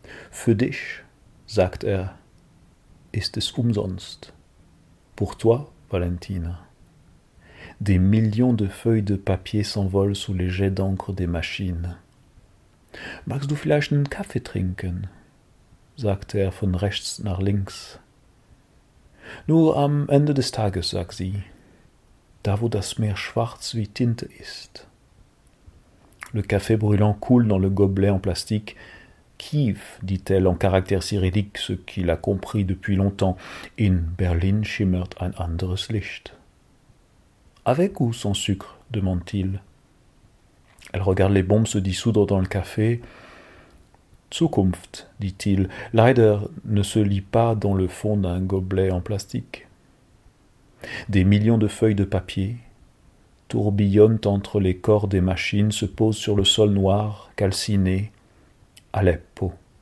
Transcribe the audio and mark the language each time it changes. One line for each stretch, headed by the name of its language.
German: Für dich, sagt er, ist es umsonst.
French: Pour toi, Valentina. Des millions de feuilles de papier s'envolent sous les jets d'encre des machines.
German: Magst du vielleicht einen Kaffee trinken? Sagte er von rechts nach links. Nur am Ende des Tages, sagt sie, da wo das Meer schwarz wie Tinte ist.
French: Le café brûlant coule dans le gobelet en plastique. Kiev, dit-elle en caractère cyrillique, ce qu'il a compris depuis longtemps.
German: In Berlin schimmert ein anderes Licht.
French: Avec ou sans sucre? Demande-t-il. Elle regarde les bombes se dissoudre dans le café. Zukunft, dit-il, leider ne se lit pas dans le fond d'un gobelet en plastique. Des millions de feuilles de papier tourbillonnent entre les corps des machines, se posent sur le sol noir, calciné, Aleppo.